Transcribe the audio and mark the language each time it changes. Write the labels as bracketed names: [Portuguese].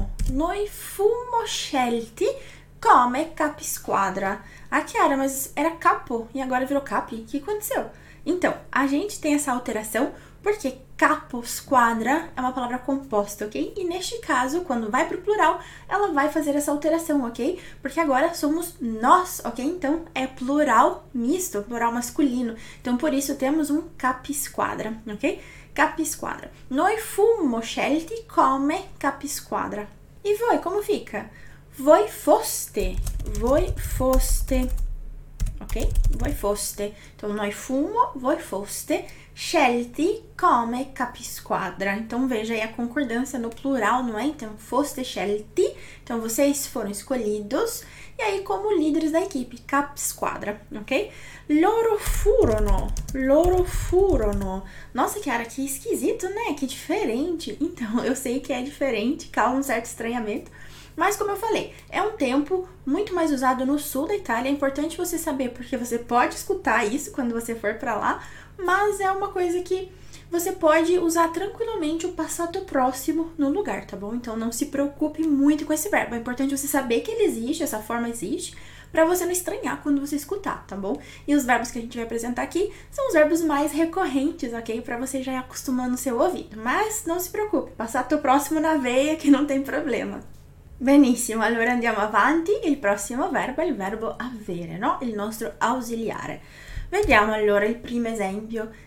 [Italian] Noi fumo scelti come capisquadra. [Portuguese] Ah, Chiara, mas era capo e agora virou capi? O que aconteceu? Então, a gente tem essa alteração. Porque caposquadra é uma palavra composta, ok? E neste caso, quando vai para o plural, ela vai fazer essa alteração, ok? Porque agora somos nós, ok? Então é plural misto, plural masculino. Então por isso temos um capisquadra, ok? Capisquadra. [Italian] Noi fummo scelti come capisquadra. E voi, [Portuguese] como fica? [Italian] Voi foste. Voi foste. Ok? Voi foste. Então, noi fumo, voi foste, scelti come capisquadra. [Portuguese] Então, veja aí a concordância no plural, não é? Então, [Italian] foste scelti. [Portuguese] Então, vocês foram escolhidos. E aí, como líderes da equipe, capisquadra, ok? [Italian] Loro furono. Loro furono. [Portuguese] Nossa, Chiara, que esquisito, né? Que diferente. Então, eu sei que é diferente, causa um certo estranhamento. Mas, como eu falei, é um tempo muito mais usado no sul da Itália. É importante você saber, porque você pode escutar isso quando você for para lá, mas é uma coisa que você pode usar tranquilamente o passado próximo no lugar, tá bom? Então não se preocupe muito com esse verbo. É importante você saber que ele existe, essa forma existe, para você não estranhar quando você escutar, tá bom? E os verbos que a gente vai apresentar aqui são os verbos mais recorrentes, ok? Para você já ir acostumando o seu ouvido. Mas não se preocupe, passato próximo na veia, que não tem problema. [Italian] Benissimo, allora andiamo avanti. Il prossimo verbo è il verbo avere, no? Il nostro ausiliare. Vediamo allora il primo esempio.